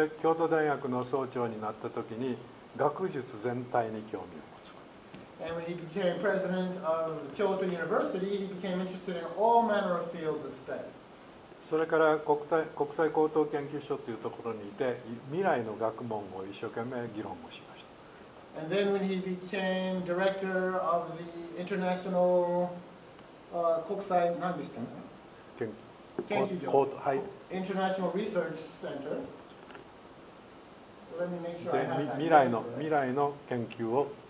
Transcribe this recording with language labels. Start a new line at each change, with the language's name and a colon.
Japanese: で、京都大学の総長になった時に学術全体に興味を持つ。
English: And when he became president of Kyoto University, he became interested in all manner of fields of study.
Japanese: それから国際高等研究所というところにいて未来の学問を一生懸命議論をしました。
English: And then when he became director of the international,
Japanese: 国際何でしたね研究所、はい、
English: International Research Center. Let me make sure I have that.
Japanese: 未来の研究を。